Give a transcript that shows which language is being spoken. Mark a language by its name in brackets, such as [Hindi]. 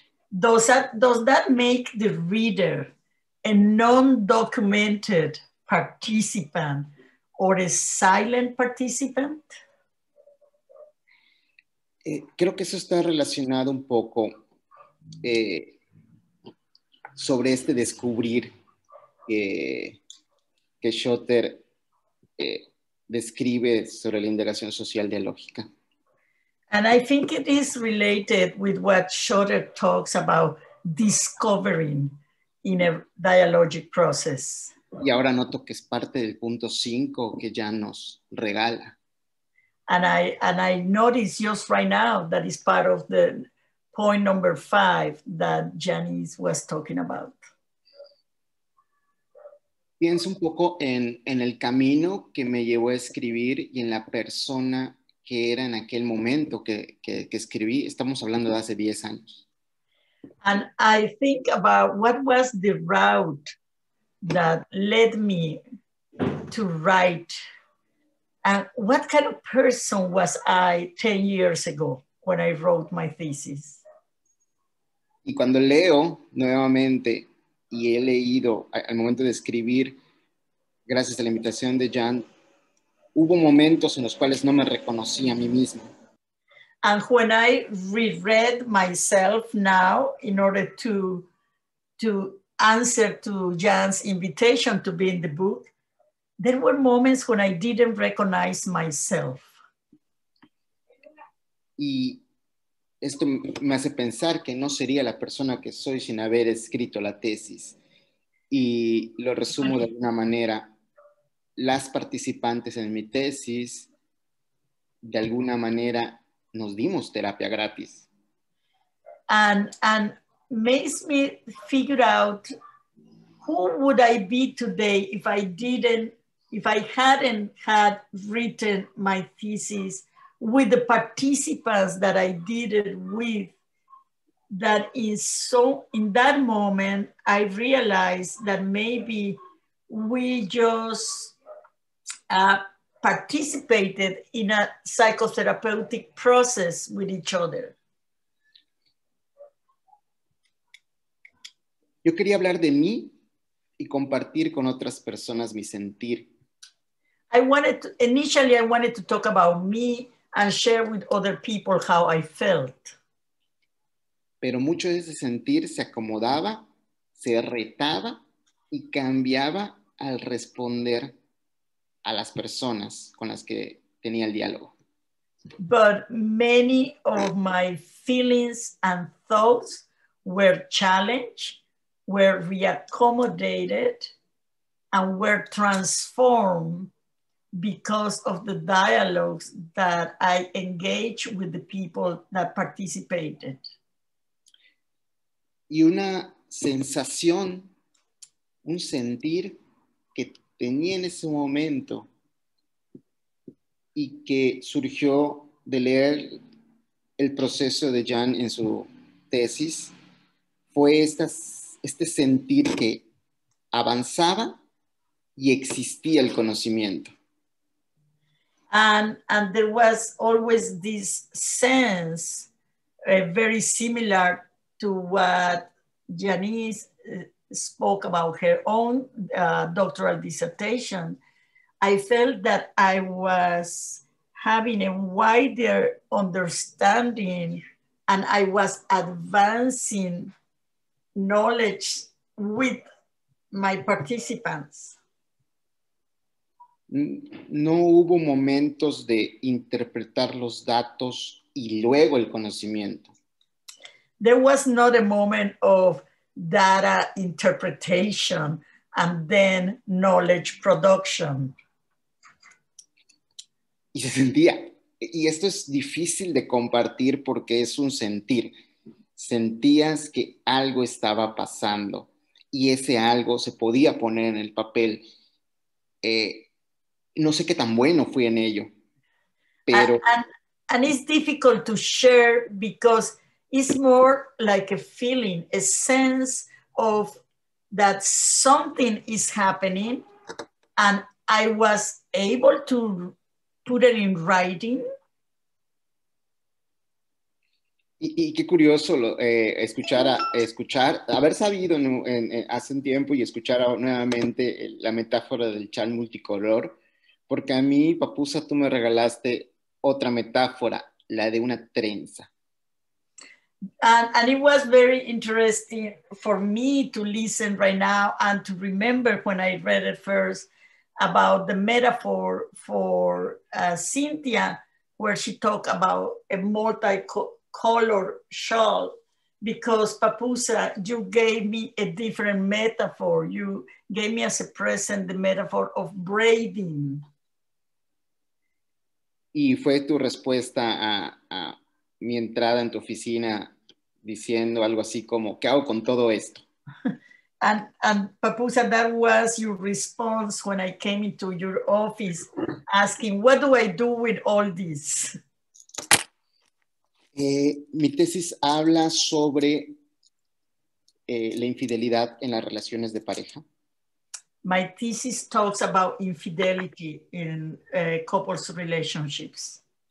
[English] Does that make the reader a non-documented participant or a silent participant? [Spanish] Creo que eso está relacionado un poco sobre este descubrir que Schotter describe sobre la indagación social dialógica. [English] And I think it is related with what Schotter talks about discovering in a dialogic process. [Spanish] Y ahora noto que es parte del punto 5 que ya nos regala. [English] And I notice just right now that is part of the point number 5 that Janice was talking about. [Spanish] Pienso un poco en el camino que me llevó a escribir y en la persona que era en aquel momento que escribí. Estamos hablando de hace 10 años. [English] And I think about what was the route that led me to write. And what kind of person was I 10 years ago when I wrote my thesis? [Spanish] Y cuando leo nuevamente y he leído al momento de escribir, gracias a la invitación de Jan, hubo momentos en los cuales no me reconocí a mí mismo. [English] And when I reread myself now in order to answer to Jan's invitation to be in the book, there were moments when I didn't recognize myself. [Spanish] Y esto me hace pensar que no sería la persona que soy sin haber escrito la tesis. Y lo resumo de alguna manera. Las participantes en mi tesis, de alguna manera, nos dimos terapia gratis. [English] And makes me figure out who would I be today if I hadn't had written my thesis with the participants that I did it with. That is so, in that moment, I realized that maybe we just participated in a psychotherapeutic process with each other. [Spanish] Yo quería hablar de mí y compartir con otras personas mi sentir. [English] Initially I wanted to talk about me and share with other people how I felt. [Spanish] Pero mucho de ese sentir se acomodaba, se retaba y cambiaba al responder a las personas con las que tenía el diálogo. [English] But many of my feelings and thoughts were challenged, were reaccommodated, and were transformed because of the dialogues that I engaged with the people that participated. [Spanish] Y una sensación, un sentir que tenía en ese momento y que surgió de leer el proceso de Jan en su tesis, fue este sentir que avanzaba y existía el conocimiento. [English] And there was always this sense, very similar to what Janice spoke about her own doctoral dissertation. I felt that I was having a wider understanding and I was advancing knowledge with my participants. [Spanish] No hubo momentos de interpretar los datos y luego el conocimiento. [English] There was not a moment of data interpretation and then knowledge production. [Spanish] Y se sentía, y esto es difícil de compartir porque es un sentir. Sentías que algo estaba pasando y ese algo se podía poner en el papel. No sé qué tan bueno fui en ello, pero... [English] And it's difficult to share because it's more like a feeling, a sense of that something is happening and I was able to put it in writing. [Spanish] Y qué curioso escuchar, haber sabido hace un tiempo y escuchar nuevamente la metáfora del chal multicolor, porque a mí, Papusa, tú me regalaste otra metáfora, la de una trenza. [English] And it was very interesting for me to listen right now and to remember when I read it first about the metaphor for Cynthia, where she talked about a multicolor shawl, because Papusa, you gave me a different metaphor. You gave me as a present the metaphor of braiding. [Spanish] Y fue tu respuesta a mi entrada en tu oficina diciendo algo así como, ¿qué hago con todo esto? [English] And Papusa, that was your response when I came into your office asking, what do I do with all this? [Spanish] Mi tesis habla sobre la infidelidad en las relaciones de pareja. [English] My thesis talks about infidelity in couples relationships.